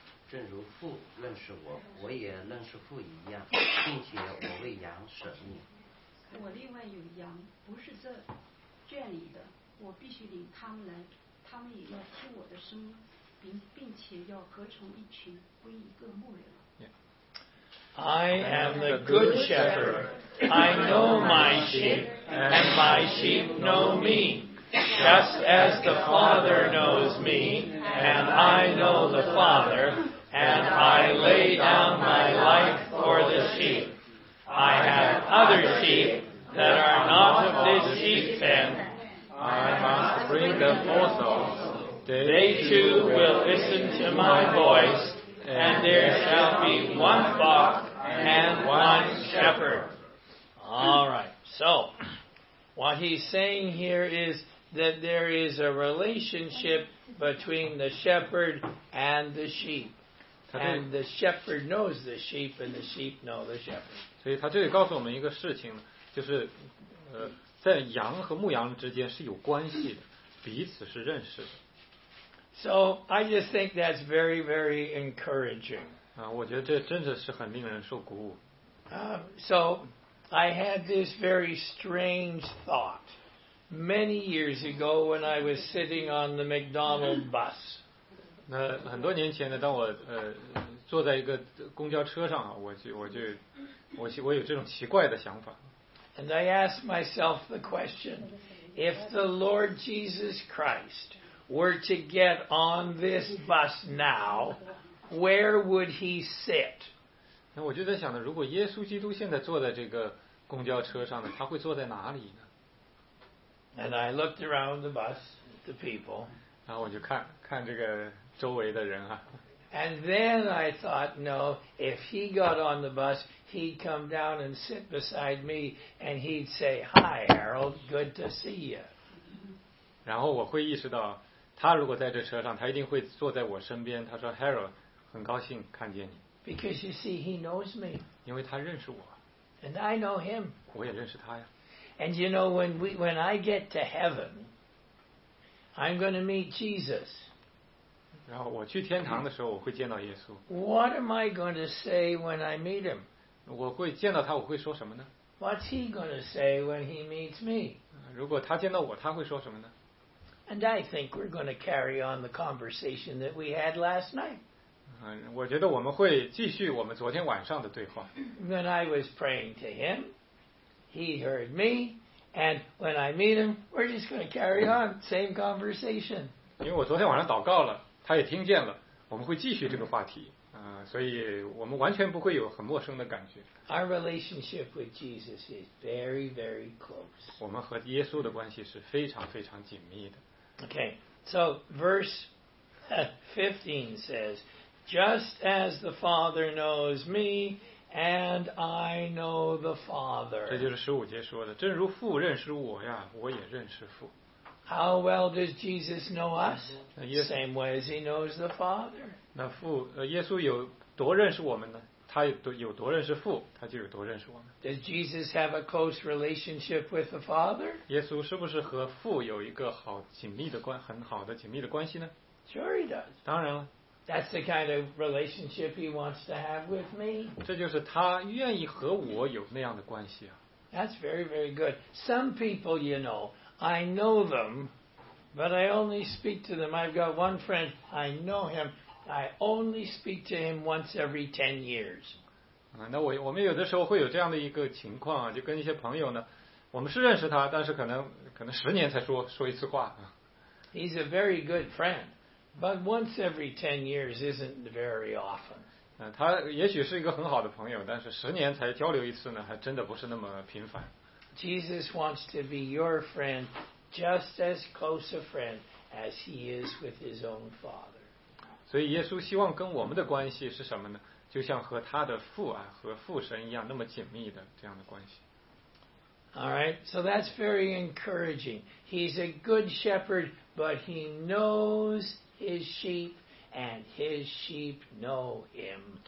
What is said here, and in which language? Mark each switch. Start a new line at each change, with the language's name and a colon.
Chinese: 正如父认识我，我也认识父一样，并且我为羊舍命。我另外有羊，不是这圈里的，我必须领他们来，他们也要听我的声音，并且要合成一群，归一个牧人。
English: I am the good shepherd. I know my sheep, and my sheep know me. Just as the Father knows me, and I know the Father. And I lay down my life for the sheep. I have other sheep that are not of this sheep pen. I must bring them also. They too will listen to my voice, and there shall be one flock and one shepherd. All right. So, what he's saying here is that there is a relationship between the shepherd and the sheep. And the shepherd knows the sheep, and the sheep know the shepherd.
Chinese: 所以他这里告诉我们一个事情，就是，在羊和牧羊之间是有关系的，彼此是认识的。
English: So I just think that's very, very encouraging.
Chinese: 啊，我觉得这真的是很令人受鼓舞。
English: So I had this very strange thought many years ago when I was sitting on the McDonald bus.
Chinese: 那很多年前呢，当我坐在一个公交车上啊，我有这种奇怪的想法。
English: And I asked myself the question, if the Lord Jesus Christ were to get on this bus now, where would he sit?
Chinese: 那我就在想呢，如果耶稣基督现在坐在这个公交车上呢，他会坐在哪里呢？
English: And I looked around the bus, the people.
Chinese: 然后我就看看这个。周围的人啊、
English: and then I thought, no, if he got on the bus, he'd come down and sit beside me, and he'd say, "Hi, Harold, good to see you."
Chinese: 然后我会意识到，他如果在这车上，他一定会坐在我身边。他说 ，Harold， 很高兴看见你。
English: Because you see, he knows me.
Chinese: 因为他认识我。
English: And I know him.
Chinese: 我也认识他呀。
English: And you know, when I get to heaven, I'm going to meet Jesus.
Chinese: 然后我去天堂的时候，我会见到耶稣。
English: What am I going to say when I meet him?
Chinese: 我会见到他，我会说什么呢
English: ？What's he going to say when he meets me?
Chinese: 如果他见到我，他会说什么呢
English: ？And I think we're going to carry on the conversation that we had last night.
Chinese: 我觉得我们会继续我们昨天晚上的对话。
English: When I was praying to him, he heard me, and when I meet him, we're just going to carry on same conversation.
Chinese: 因为我昨天晚上祷告了。他也听见了，我们会继续这个话题，所以我们完全不会有很陌生的感觉。
English: Our relationship with Jesus is very, very close.
Chinese: 我们和耶稣的关系是非常非常紧密的。
English: Okay, so verse 15 says, "Just as the Father knows me, and I know the Father."
Chinese: 这就是十五节说的，正如父认识我呀，我也认识父。
English: How well does Jesus know us? Same way as he knows the Father.
Chinese: 那父，耶稣有多认识我们呢？他有多认识父，他就有多认识我们。
English: Does Jesus have a close relationship with the Father?
Chinese: 耶稣是不是和父有一个好紧密的关，很好的紧密的关系呢
English: ？Sure he does.
Chinese: 当然了。
English: That's the kind of relationship he wants to have with me.
Chinese: 这就是他愿意和我有那样的关系啊。
English: That's very, very good. Some people, you know. I know them, but I only speak to them. I've got one friend, I know him. I only speak to him once every 10 years.
Chinese: 那我们有的时候会有这样的一个情况啊，就跟一些朋友呢，我们是认识他，但是可能十年才说一次话。
English: He's a very good friend, but once every 10 years isn't very often.
Chinese: 他也许是一个很好的朋友，但是十年才交流一次呢，还真的不是那么频繁。
English: Jesus wants to be your friend, just as close a friend as he is with his own father.
Chinese: 所以耶稣希望跟我们的关系是什么呢？就像和他的父啊，和父神一样那么紧密的这样的关系。
English: All right, so that's very encouraging. He's a good shepherd, but he knows his sheep, and his sheep know him.